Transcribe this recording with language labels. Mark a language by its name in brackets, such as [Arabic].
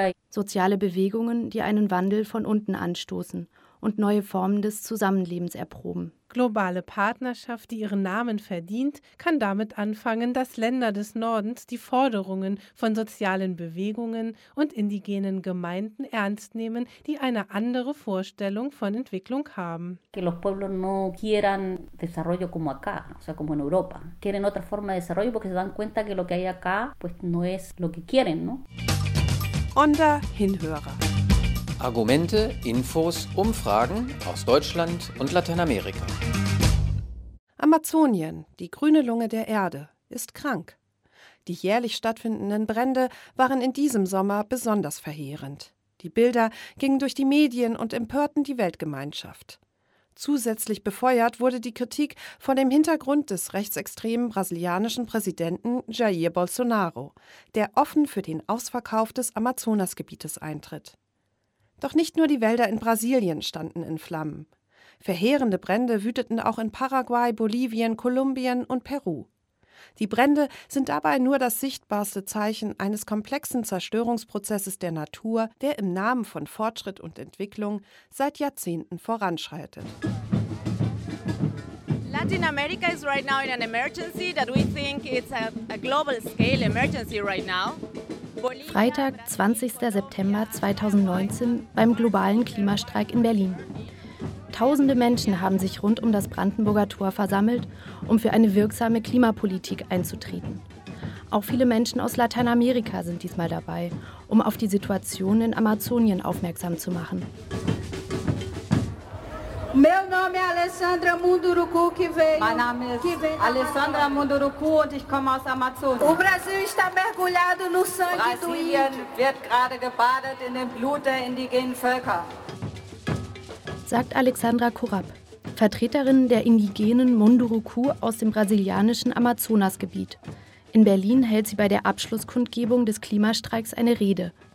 [German] Soziale Bewegungen, die einen Wandel von unten anstoßen und neue Formen des Zusammenlebens erproben. Globale Partnerschaft, die ihren Namen verdient, kann damit anfangen, dass Länder des Nordens die Forderungen von sozialen Bewegungen und indigenen Gemeinden ernst nehmen, die eine andere Vorstellung von Entwicklung haben. [Spanish] Que los pueblos no quieran desarrollo como acá, o sea, como en Europa. Quieren otra forma de desarrollo porque se dan cuenta que lo que hay acá, pues no es lo que quieren, ¿no? [German] Onda Hinhörer. Argumente, Infos, Umfragen aus Deutschland und Lateinamerika. Amazonien, die grüne Lunge der Erde, ist krank. Die jährlich stattfindenden Brände waren in diesem Sommer besonders verheerend. Die Bilder gingen durch die Medien und empörten die Weltgemeinschaft. Zusätzlich befeuert wurde die Kritik vor dem Hintergrund des rechtsextremen brasilianischen Präsidenten Jair Bolsonaro, der offen für den Ausverkauf des Amazonasgebietes eintritt. Doch nicht nur die Wälder in Brasilien standen in Flammen. Verheerende Brände wüteten auch in Paraguay, Bolivien, Kolumbien und Peru. Die Brände sind dabei nur das sichtbarste Zeichen eines komplexen Zerstörungsprozesses der Natur, der im Namen von Fortschritt und Entwicklung seit Jahrzehnten voranschreitet. [English] Latin America is right now in an emergency that we think it's a global scale emergency right now. [German] Freitag, 20. September 2019, beim globalen Klimastreik in Berlin. Tausende Menschen haben sich rund um das Brandenburger Tor versammelt, um für eine wirksame Klimapolitik einzutreten. Auch viele Menschen aus Lateinamerika sind diesmal dabei, um auf die Situation in Amazonien aufmerksam zu machen. [Portuguese] Meu nome é Alessandra Munduruku, que veio. [German] Mein Name ist Alessandra Munduruku und ich komme aus Amazonas. [Portuguese] O Brasil está mergulhado no sangue do índio. [German] Brasilien wird gerade gebadet in dem Blut der indigenen Völker. Sagt Alexandra Kurab, Vertreterin der indigenen Munduruku aus dem brasilianischen Amazonasgebiet, In Berlin hält sie bei der Abschlusskundgebung des Klimastreiks eine Rede.